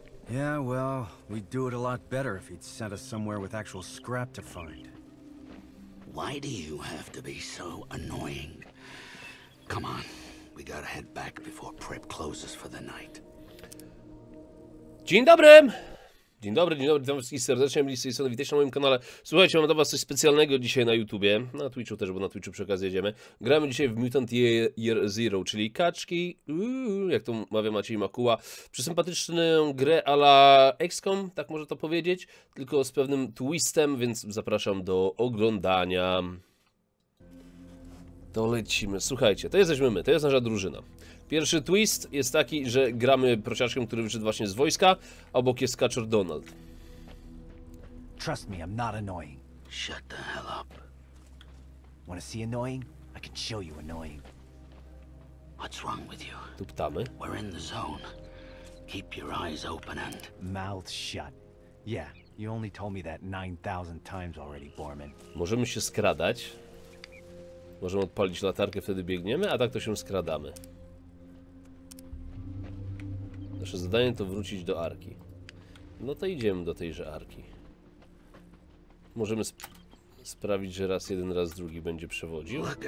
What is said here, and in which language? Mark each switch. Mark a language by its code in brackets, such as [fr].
[en] Yeah, well, we'd do it a lot better if he'd sent us somewhere with actual scrap to find. Why do you have to be so annoying? Come on, we gotta head back before Prep closes for the night. [pl] Dzień dobry! Dzień dobry, witam wszystkich serdecznie, Mili Sejsona, witajcie na moim kanale. Słuchajcie, mam dla was coś specjalnego dzisiaj na YouTubie, na Twitchu też, bo na Twitchu przy okazji jedziemy. Gramy dzisiaj w Mutant Year Zero, czyli kaczki, jak to mawia Maciej Makuła, przysympatyczną grę a la XCOM, tak może to powiedzieć, tylko z pewnym twistem, więc zapraszam do oglądania. To lecimy, słuchajcie, to jesteśmy my, to jest nasza drużyna. Pierwszy twist jest taki, że gramy prosiaczkiem, który wyszedł właśnie z wojska, obok jest kaczor Donald. [en] Trust me, I'm not annoying. Shut the hell up. Wanna see annoying? I can show you annoying. What's wrong with you? [pl] Tu ptamy. [en] We're in the zone. Keep your eyes open and mouth shut. Yeah, you only told me that 9000 times already, Borman. [pl] Możemy się skradać. Możemy odpalić latarkę, wtedy biegniemy, a tak to się skradamy. Nasze zadanie to wrócić do Arki. No to idziemy do tejże Arki. Możemy sprawić, że raz jeden, raz drugi będzie przewodził.